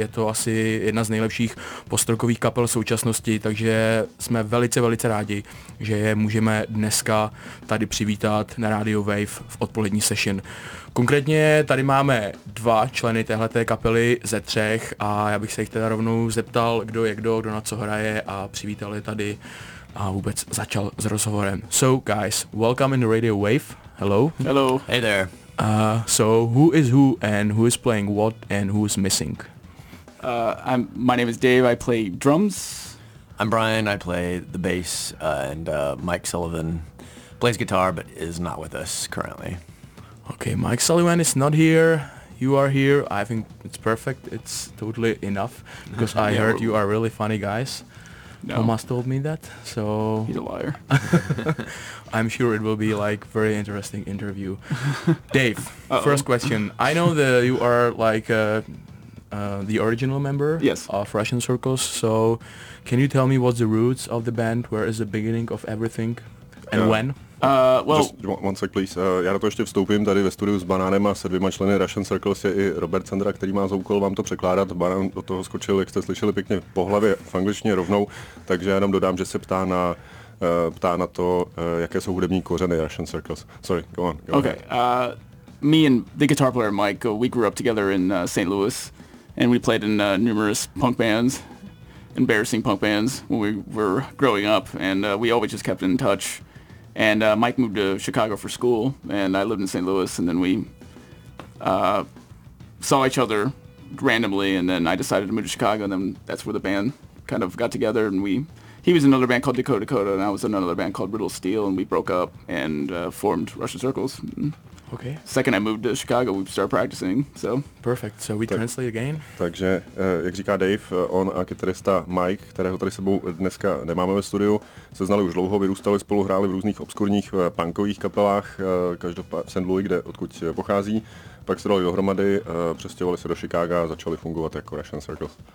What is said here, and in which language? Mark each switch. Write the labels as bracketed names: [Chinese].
[Czech] Je to asi jedna z nejlepších postrokových kapel současnosti, takže jsme velice, velice rádi, že je můžeme dneska tady přivítat na Radio Wave v odpolední session. Konkrétně tady máme dva členy téhleté kapely ze třech a já bych se jich teda rovnou zeptal, kdo je kdo, kdo na co hraje a přivítal je tady. A vůbec začal s rozhovorem. [English] So guys, welcome in the Radio Wave. Hello. Hello. Hey there. So who is who and who is playing what and who is missing? My name is Dave. I play drums. I'm Brian. I play the bass and Mike Sullivan plays guitar but is not with us currently. Okay, Mike Sullivan is not here. You are here. I think it's perfect. It's totally enough because I heard you are really funny guys. No. Thomas told me that, so... He's a liar. I'm sure it will be, like, very interesting interview. Dave, first question. I know that you are, like, the original member of Russian Circles, so can you tell me what's the roots of the band, where is the beginning of everything, and when? One sec, please. [Czech] Já na to ještě vstoupím tady ve studiu s Banánem a se dvěma členy Russian Circles je i Robert Sandra, který má za úkol vám to překládat. Banán do toho skočil, jak jste slyšeli, pěkně po hlavě v angličtině rovnou, takže já jenom dodám, že se ptá na to, jaké jsou hudební kořeny Russian Circles. [English] Sorry, go on. Okay, me and the guitar player Mike, we grew up together in St. Louis and we played in numerous punk bands, embarrassing punk bands when we were growing up and we always just kept in touch. And Mike moved to Chicago for school, and I lived in St. Louis, and then we saw each other randomly, and then I decided to move to Chicago, and then that's where the band kind of got together, and he was in another band called Dakota Dakota, and I was in another band called Riddle Steel, and we broke up and formed Russian Circles. Okay. Second I moved to Chicago, we started practicing, so. Perfect, so we translate again. [Czech] Takže, jak říká Dave, on a kytarista Mike, kterého tady sebou dneska nemáme ve studiu, se znali už dlouho, vyrůstali spolu, hráli v různých obskurních punkových kapelách, každopádně v St. Louis, odkud pochází. Pak se dali dohromady, přestěhovali se do Chicaga a začali fungovat jako Russian Circles.